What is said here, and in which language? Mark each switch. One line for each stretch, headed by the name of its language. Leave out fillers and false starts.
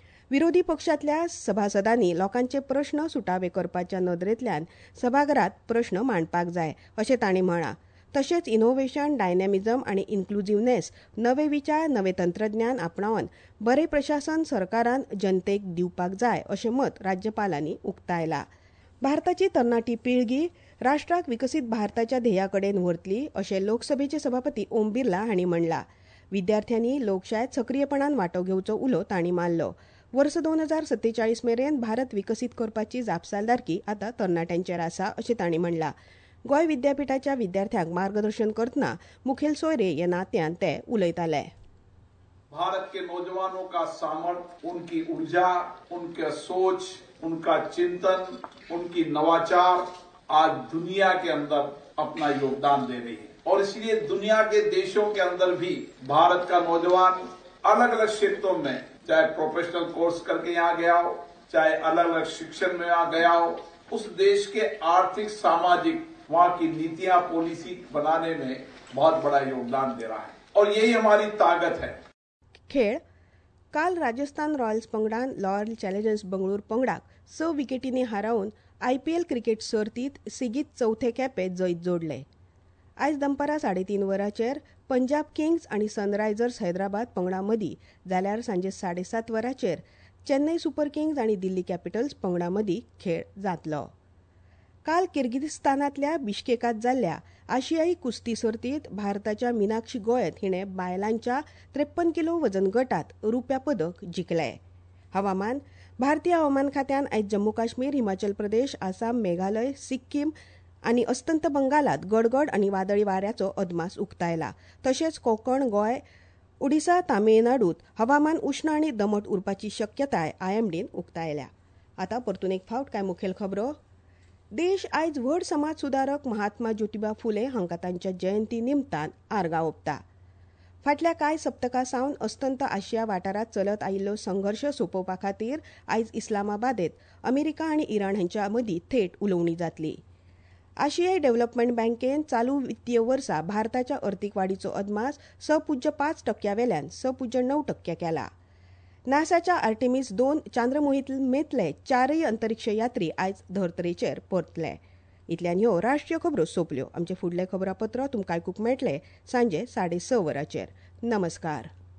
Goan Konkani: विरोधी पक्षातल्या सभासदांनी लोकांचे प्रश्न सुटावे करपाच्या नदरेंतल्यान सभाघरांत प्रश्न मांडपाक जाय अशें तांणी म्हळां. तशेंच इनोव्हेशन डायनॅमिझम आणि इन्क्लुझिव्हनेस नवे विचार नवे तंत्रज्ञान आपणावन बरे प्रशासन सरकारान जनतेक दिवपाक जाय अशें मत राज्यपालांनी उक्तायला. भारताची तरणाटी पिळगी राष्ट्राक विकसित भारताच्या ध्येयाकडेन व्हरतली अशें लोकसभेचे सभापती ओम बिर्ला हांणी म्हणला. विद्यार्थ्यांनी लोकशायेत सक्रीयपणान वांटो घेवचो उलो तांणी मारलो. वर्स 2047 मेरेन भारत विकसित करपाची जापसालदारकी आतां तरणाट्यांचेर आसा अशें तांणी म्हणला. गोय विद्यापीठाच्या विद्यार्थ्यांक मार्गदर्शन करतना मुखेल सोयरे या नात्यान ते उलयताले.
Hindi: भारत के नौजवानों का सामर्थ्य उनकी ऊर्जा उनका सोच उनका चिंतन उनकी नवाचार आज दुनिया के अंदर अपना योगदान दे रही है और इसलिए दुनिया के देशों के अंदर भी भारत का नौजवान अलग अलग क्षेत्रों में चाहे प्रोफेशनल कोर्स करके यहाँ गया हो चाहे अलग अलग शिक्षण में यहाँ गया हो उस देश के आर्थिक सामाजिक वहां की नीतियां पॉलिसी बनाने में बहुत बड़ा योगदान दे रहा है और यही हमारी ताकत है.
Goan Konkani: खेळ. काल राजस्थान रॉयल्स पंगडान रॉयल चॅलेंजर्स बंगळूर पंगडाक 6 विकेटींनी हारावून आयपीएल क्रिकेट सर्तीत सेगीत 4थे खेपे जैत जोडले. आयज दनपारा 3:30 वरांचेर पंजाब किंग्स आनी सनरायझर्स हैदराबाद पंगडा मदीं जाल्यार सांजे 7:30 वरांचेर चेन्नई सुपर किंग्स आनी दिल्ली कॅपिटल्स पंगडा मदीं खेळ जातलो. काल किर्गिजिस्तानातल्या बिश्केकात जाल्ल्या आशियाई कुस्ती सर्तीत भारताच्या मिनाक्षी गोयत हिणें बायलांच्या 53 किलो वजन गटात रुप्या पदक जिखले. हवामान. भारतीय हवामान खात्यान आयज जम्मू काश्मीर हिमाचल प्रदेश आसाम मेघालय सिक्कीम आनी अस्तंत बंगालात गडगड आनी वादळी वाऱ्याचो अदमास उक्तायला. तशेंच कोकण गोंय ओडिशा तामिळनाडूत हवामान उष्ण आनी दमट उरपाची शक्यताय आयएमडीन उक्तायल्या. आतां परतून एक फावट कांय मुखेल खबरो. देश आयज व्हड समाज सुदारक महात्मा ज्योतिबा फुले हांकां तांच्या जयंती निमतान आर्गां ओंपता. फाटल्या कांय सप्तकां सावन अस्तंत आशिया वाठारांत चलत आयिल्लो संघर्श सोपोवपा खातीर आयज इस्लामाबादेंत अमेरिका आनी इराण हांच्या मदीं थेट उलोवणी जातली. आशियाई डॅव्हलपमेंट बँकेन चालू वित्तीय वर्सा भारताच्या अर्थीक वाडीचो अदमास 6.5%वेल्यान 6.9% केला. नासाच्या आर्टिमीस 2 चांद्रमोहितमेतले 4 अंतरिक्ष यात्री आयज धर्तरेचेर परतले. इतल्यान ह्यो राष्ट्रीय खबरो सोपल्यो. आमचें फुडलें खबरापत्र तुमकां आयकूंक मेळटलें सांजे 6:30 वरांचेर. नमस्कार.